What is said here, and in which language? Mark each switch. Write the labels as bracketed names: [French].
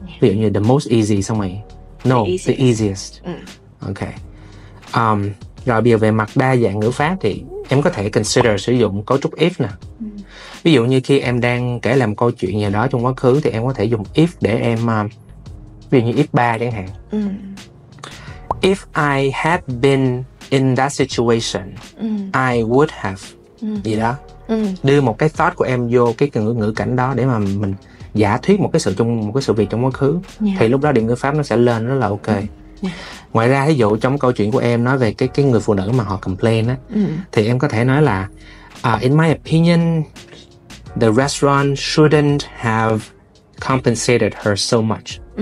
[Vietnamese] Ví dụ như [English] the most easy, [Vietnamese] xong rồi [English] no, the easiest. Okay. [Vietnamese] Rồi bây giờ về mặt đa dạng ngữ pháp thì em có thể consider sử dụng cấu trúc if nè. Ví dụ như khi em đang kể làm câu chuyện gì đó trong quá khứ thì em có thể dùng if để em, ví dụ như if 3 chẳng hạn. [English] If I had been in that situation, I would have [Vietnamese] gì đó. Đưa một cái thought của em vô cái ngữ cảnh đó để mà mình giả thuyết một cái sự việc trong quá khứ. Thì lúc đó điểm ngữ pháp nó sẽ lên rất là ok. Ngoài ra, ví dụ trong câu chuyện của em nói về cái người phụ nữ mà họ complain á, thì em có thể nói là [English] in my opinion, the restaurant shouldn't have compensated her so much.